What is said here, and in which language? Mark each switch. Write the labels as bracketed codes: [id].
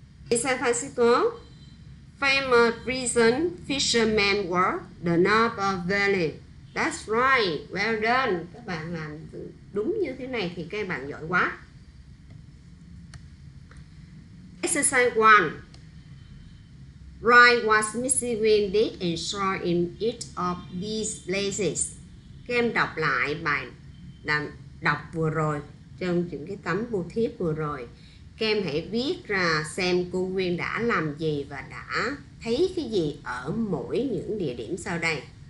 [en] In San Francisco, famous prison fisherman work, the Napa Valley. That's right, well done. [vi] Các bạn làm đúng như thế này thì các bạn giỏi quá. [en] Exercise 1. Write what's missing when did and saw in each of these places. [vi] Các em đọc lại bài đọc vừa rồi, trong những cái tấm bưu thiếp vừa rồi. Các em hãy viết ra xem cô Nguyên đã làm gì và đã thấy cái gì ở mỗi những địa điểm sau đây.